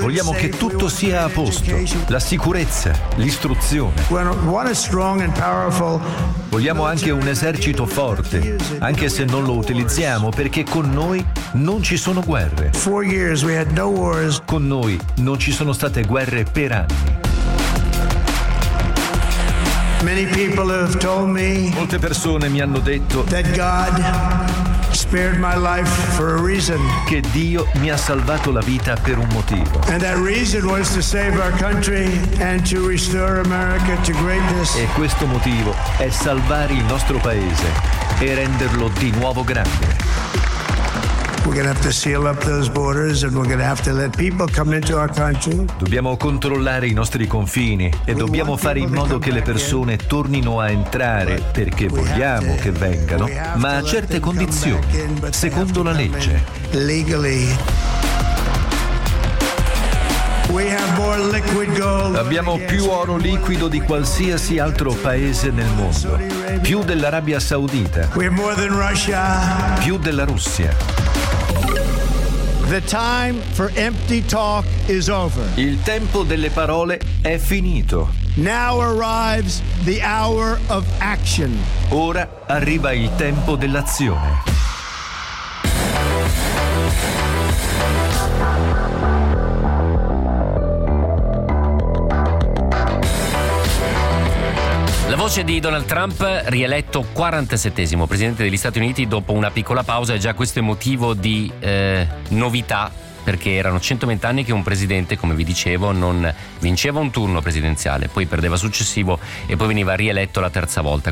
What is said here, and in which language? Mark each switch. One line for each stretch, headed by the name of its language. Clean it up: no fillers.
Italian: Vogliamo che tutto sia a posto. La sicurezza, l'istruzione.
English: We want a strong and powerful.
Italian: Vogliamo anche un esercito forte, anche se non lo utilizziamo, perché con noi non ci sono guerre.
English: Four years we had no wars.
Italian: Con noi non ci sono state guerre per anni.
English: Many people have told me.
Italian: Molte persone mi hanno detto.
English: That God spared my life for a reason.
Italian: Che Dio mi ha salvato la vita per un motivo.
English: And that reason was to save our country and to restore America to greatness.
Italian: E questo motivo è salvare il nostro paese e renderlo di nuovo grande.
English: We're gonna have to seal up those borders and we're gonna have to let people come into our country.
Italian: Dobbiamo controllare i nostri confini e dobbiamo fare in modo che le persone tornino a entrare, perché vogliamo che vengano, ma a certe condizioni, secondo la legge.
English: Legally. We have more liquid gold.
Italian: Abbiamo più oro liquido di qualsiasi altro paese nel mondo. Più dell'Arabia Saudita.
English: We have more than Russia.
Italian: Più della Russia.
English: The time for empty talk is over.
Italian: Il tempo delle parole è finito.
English: Now arrives the hour of action.
Italian: Ora arriva il tempo dell'azione. voce di Donald Trump, rieletto 47esimo presidente degli Stati Uniti dopo una piccola pausa, e già questo è motivo di novità, perché erano 120 anni che un presidente, come vi dicevo, non vinceva un turno presidenziale, poi perdeva successivo e poi veniva rieletto la terza volta.